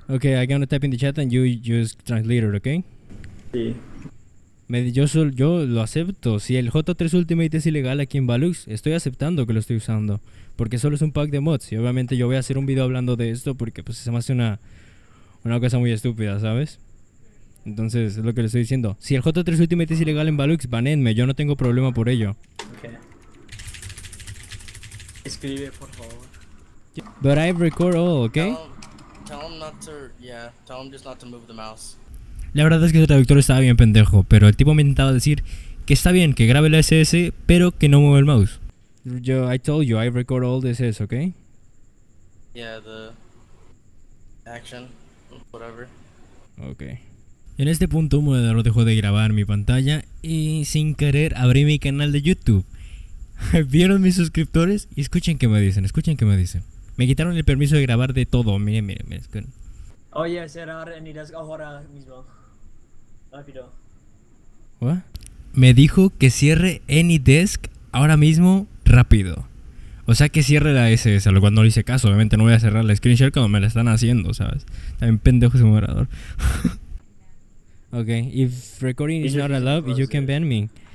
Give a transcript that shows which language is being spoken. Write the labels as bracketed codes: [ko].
[en] Okay, I'm gonna type in the chat and you just translate it, okay? [es] Sí. Yo lo acepto. Si el J3 Ultimate es ilegal aquí en Valux, estoy aceptando que lo estoy usando. Porque solo es un pack de mods. Y obviamente yo voy a hacer un video hablando de esto porque pues se me hace una cosa muy estúpida, ¿sabes? Entonces, es lo que le estoy diciendo. Si el J3 Ultimate es ilegal en Valux, banenme. Yo no tengo problema por ello. Okay. Escribe, por favor. [en] But I record all, okay? Tell him not to, yeah, tell him just not to move the mouse. [es] La verdad es que el traductor estaba bien pendejo, pero el tipo me intentaba decir que está bien, que grabe la SS, pero que no mueva el mouse. [en] Yo, I told you, I record all the SS, okay? Yeah, the action, whatever. Okay. [es] En este punto, un moderador dejó de grabar mi pantalla y sin querer abrí mi canal de YouTube. ¿Vieron mis suscriptores? Y escuchen qué me dicen. Me quitaron el permiso de grabar de todo. Miren. Oye, cerrar any desk ahora mismo. Rápido. ¿Qué? Me dijo que cierre any desk ahora mismo, rápido. O sea, que cierre la SS, lo cual no le hice caso. Obviamente no voy a cerrar la screenshot cuando me la están haciendo, ¿sabes? También pendejo ese moderador. [en] Ok, if recording is not allowed, you can ban me.